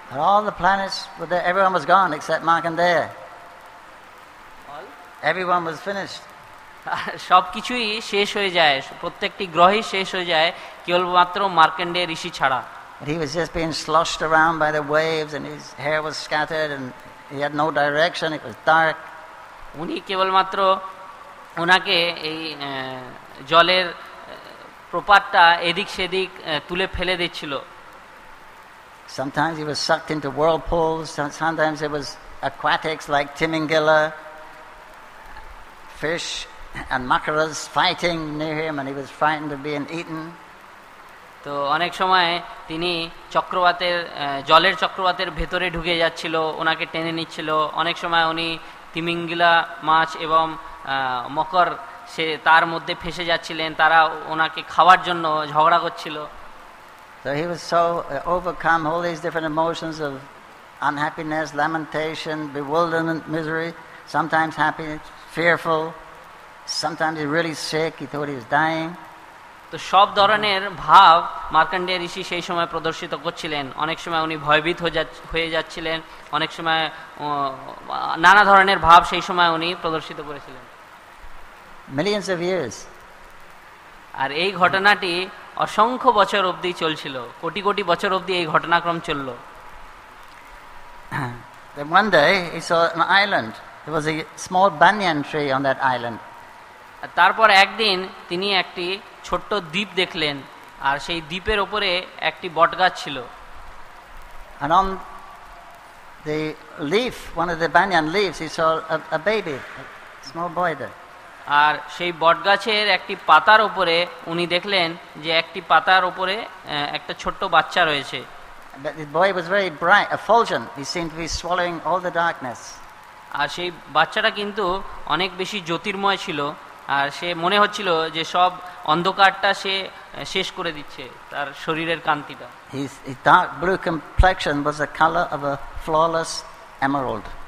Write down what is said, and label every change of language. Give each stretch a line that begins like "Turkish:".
English: And all the planets were there. Everyone was gone except Markandeya. All? Everyone was finished.
Bangla: সবকিছুই শেষ হয়ে যায়, প্রত্যেকটি গ্রহই শেষ হয়ে যায় কেবলমাত্র মার্কণ্ডেয় ঋষি ছাড়া।
English: And he was just being sloshed around by the waves and his hair was scattered and he had no direction, it was dark.
Bangla: উনি কেবলমাত্র ওনাকে এই জলের প্রপাতটা এদিক সেদিক তুলে ফেলে দিচ্ছিল।
English: Sometimes he was sucked into whirlpools, sometimes it was aquatics like Timingala, fish and makaras fighting near him and he was frightened of being eaten.
Bangla: তো অনেক সময় তিনি চক্রবাতের জলের চক্রবাতের ভেতরে ঢুকে যাচ্ছিল, ওনাকে টেনে নিচ্ছিল। অনেক সময় উনি তিমিঙ্গিলা মাছ এবং মকর সে তার মধ্যে ফেসে যাচ্ছিলেন, তারা ওনাকে খাওয়ার জন্য ঝগড়া করছিল।
English: So he was so overcome all these different emotions of unhappiness, lamentation, bewilderment, misery, sometimes happy, fearful. Sometimes he really sick, he thought he was dying.
Bangla: তো সব ধরনের ভাব মার্কণ্ডেয় ঋষি সেই সময় প্রদর্শিত করছিলেন। অনেক সময় উনি ভয়ভীত হয়ে যাচ্ছিলেন, অনেক সময় নানা ধরনের ভাব সেই সময় উনি প্রদর্শিত করেছিলেন।
English: Millions of years.
Bangla: আর এই ঘটনাটি অসংখ্য বছর অবধি চলছিল, কোটি কোটি বছর অবধি এই ঘটনাক্রম চলল।
English: Then one day he saw an island. There was a small banyan tree on that island.
Bangla: তারপর একদিন তিনি একটি ছোট্ট দ্বীপ দেখলেন আর সেই দ্বীপের উপরে একটি বটগাছ ছিল।
English: And on the leaf, one of the banyan leaves, he saw a baby, a small boy there.
Bangla: আর সেই বটগাছের একটি পাতার উপরে উনি দেখলেন যে একটি পাতার উপরে একটা ছোট্ট বাচ্চা রয়েছে।
English: The boy was very bright, effulgent. He seemed to be swallowing all the darkness.
Bangla: আর সেই বাচ্চাটা কিন্তু অনেক বেশি জ্যোতির্ময় ছিল আর সে মনে হচ্ছিল যে সব অন্ধকারটা সে শেষ করে দিচ্ছে তার শরীরের কান্তিটা।
English: His dark blue complexion was the color of a flawless emerald.